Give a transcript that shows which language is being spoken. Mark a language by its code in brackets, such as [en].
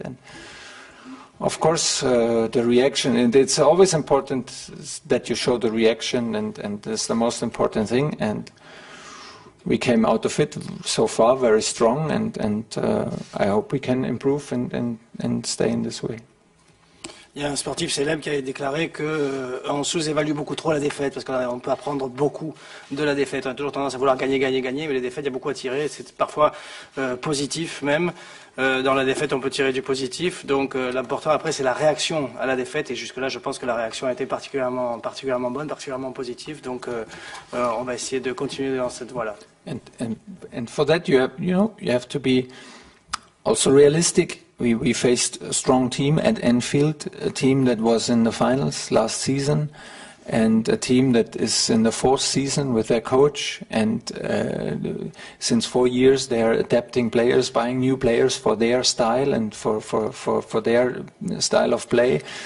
[en] And of course, the reaction, and it's always important that you show the reaction, and that's the most important thing. And we came out of it so far very strong, and I hope we can improve and stay in this way. [fr] Il y a un sportif célèbre qui a déclaré qu'on sous-évalue beaucoup trop la défaite, parce qu'on peut apprendre beaucoup de la défaite. On a toujours tendance à vouloir gagner, mais les défaites, il y a beaucoup à tirer. C'est parfois positif même. Dans la défaite, on peut tirer du positif. Donc l'important après, c'est la réaction à la défaite. Et jusque-là, je pense que la réaction a été particulièrement bonne, particulièrement positive. Donc on va essayer de continuer dans cette voie-là. [en] And for that, you have to be also realistic. We faced a strong team at Anfield, a team that was in the finals last season, and a team that is in the fourth season with their coach. And since 4 years, they are adapting players, buying new players for their style and for their style of play.